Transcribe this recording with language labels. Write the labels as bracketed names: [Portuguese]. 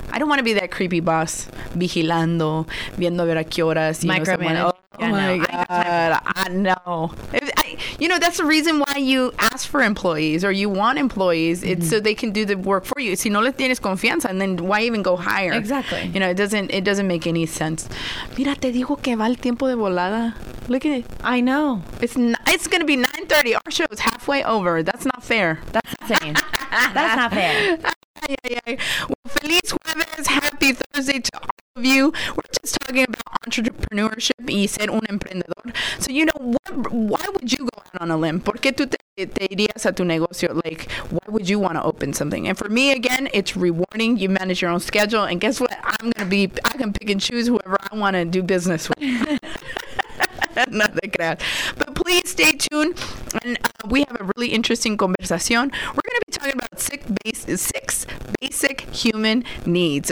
[English] I don't want to be that creepy boss [Spanish] vigilando, viendo a ver a qué horas. [English] Micromanage. Oh my God, I know. You know, that's the reason why you ask for employees or you want employees. Mm-hmm. It's so they can do the work for you. [Spanish] Si no le tienes confianza, [English] and then why even go higher? Exactly. You know, it doesn't make any sense. [Spanish] Mira, te digo que va el tiempo de volada. [English] Look at it. I know. It's going to be 9:30. Our show is halfway over. That's not fair. That's insane. That's not fair. Ay, ay, ay. Well, [Spanish] feliz jueves. [English] Happy Thursday to all of you. We're just talking about entrepreneurship [Spanish] y ser un emprendedor. [English] So, you know, why would you go out on a limb? [Spanish] ¿Por qué tú te irías a tu negocio? [English] Like, why would you want to open something? And for me, again, it's rewarding. You manage your own schedule. And guess what? I can pick and choose whoever I want to do business with. But please stay tuned, and we have a really interesting conversación. We're going to be talking about six basic human needs.